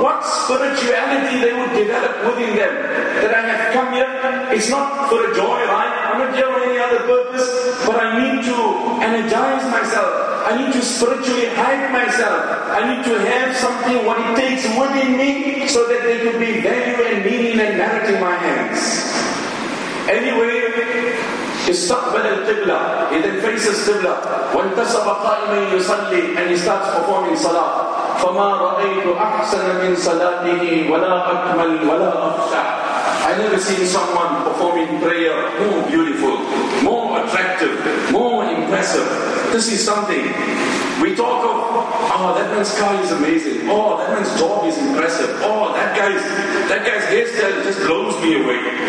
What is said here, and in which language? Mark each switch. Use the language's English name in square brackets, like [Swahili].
[English] What spirituality they would develop within them. That I have come here, it's not for a joy, right? I'm not here for any other purpose, but I need to energize myself. I need to spiritually hype myself. I need to have something, what it takes within me, so that there could be value and meaning and merit in my hands." Anyway, [Arabic] استقبل القبلة. [English] He then faces قبلة. [Arabic] وانتصب قائما يصلي, [English] and he starts performing صلاة. [Arabic] فما رأيت أحسن من صلاته ولا أكمل ولا أفشع. [English] I never seen someone performing prayer more beautiful, more attractive, more impressive. This is something. We talk of, "Oh, that man's car is amazing. Oh, that man's job is impressive. Oh, that guy's hairstyle just blows me away.